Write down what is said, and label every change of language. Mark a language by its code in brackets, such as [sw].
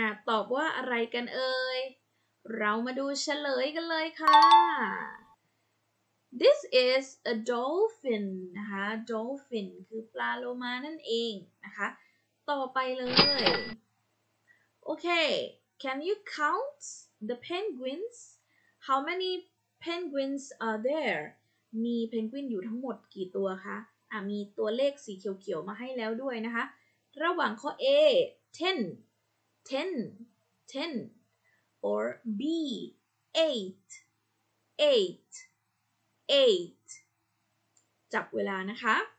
[th] ตอบว่าอะไรกันเอ่ยเรามาดูเฉลยกันเลยค่ะ [en] This is a dolphin [th] นะคะ dolphin คือปลาโลมานั่นเองนะคะต่อไปเลยโอเค [en] Can you count the penguins? How many penguins are there? [th] มีเพนกวินอยู่ทั้งหมดกี่ตัวคะมีตัวเลขสีเขียวๆมาให้แล้วด้วยนะคะระหว่างข้อ A 10 10 10 or B 8 8 8จับเวลานะคะ